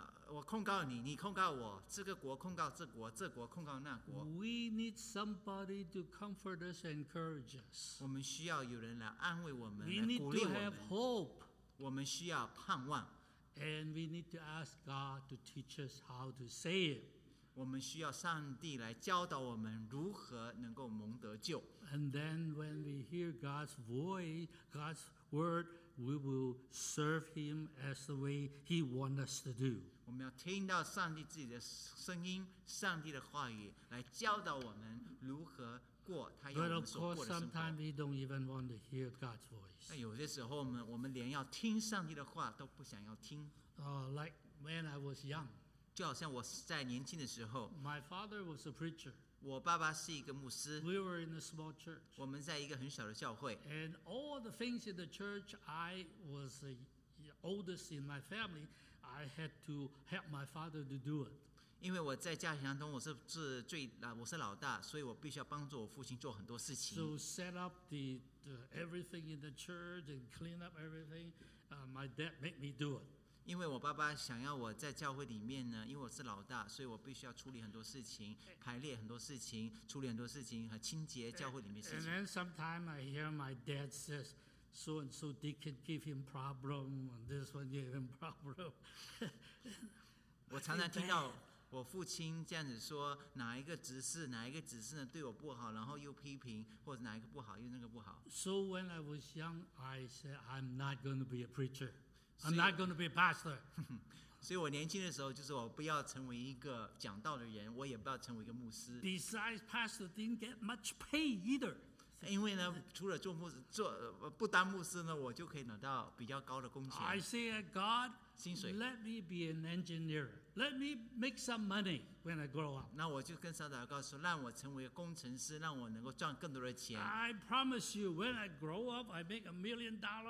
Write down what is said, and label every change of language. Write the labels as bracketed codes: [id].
[zh] 我控告你，你控告我，这个国控告这国，这国控告那国。 [en] We need somebody to comfort us and encourage us. [zh] 我们需要有人来安慰我们，来鼓励我们。 [en] We need to have hope. [zh] 我们需要盼望。 [en] And we need to ask God to teach us how to say it. [zh] 我们需要上帝来教导我们如何能够蒙得救。 [en] And then when we hear God's voice, God's word,We will serve him as the way he wants us to do. [zh] 我们要听到上帝自己的声音，上帝的话语来教导我们如何过他要我们所过的生活。 [en] But of course, sometimes we don't even want to hear God's voice. [zh] 但有些时候我们连要听上帝的话都不想要听。 [en] Like when I was young. [zh] 就好像我在年轻的时候。 [en] My father was a preacher. [zh] 我爸爸是一个牧师。 [en] We were in a small church. [zh] 我们在一个很小的教会。 [en] And all the things in the church, I was the oldest in my family. I had to help my father to do it. [zh] 因为我在家庭当中我是老大，所以我必须要帮助我父亲做很多事情。 [en] So set up the everything in the church and clean up everything. My dad made me do it. [zh] 因为我爸爸想要我在教会里面呢，因为我是老大，所以我必须要处理很多事情，排列很多事情，处理很多事情和清洁教会里面的事情。 [en] And then sometimes I hear my dad says, "So and so deacon give him problem, and this one give him problem." [zh] 我常常听到我父亲这样子说，哪一个执事呢对我不好，然后又批评，或者哪一个不好，又那个不好。 [en] So when I was young, I said, "I'm not going to be a preacher." I'm not going to be a pastor. [zh] 所以我年轻的时候，就是我不要成为一个讲道的人，我也不要成为一个牧师。 [en] Besides, pastor didn't get much pay either. [zh] 因为呢，除了做牧师，做不当牧师呢，我就可以拿到比较高的工钱。 [en] I say, God, let me be an engineer. Let me make some money when I grow up. [zh] 那我就跟上帝祷告说，让我成为工程师，让我能够赚更多的钱。 [en] I promise you, when I grow up, I make $1 million.